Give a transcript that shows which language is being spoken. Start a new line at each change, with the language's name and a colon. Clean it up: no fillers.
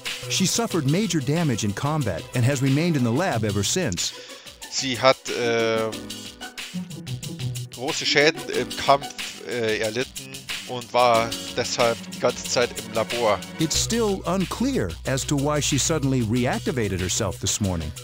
English: She suffered major damage in combat and has remained in the lab ever since.
German: Sie hat große Schäden im Kampf erlitten und war deshalb die ganze Zeit im Labor.
English: It's still unclear as to why she suddenly reactivated herself this morning.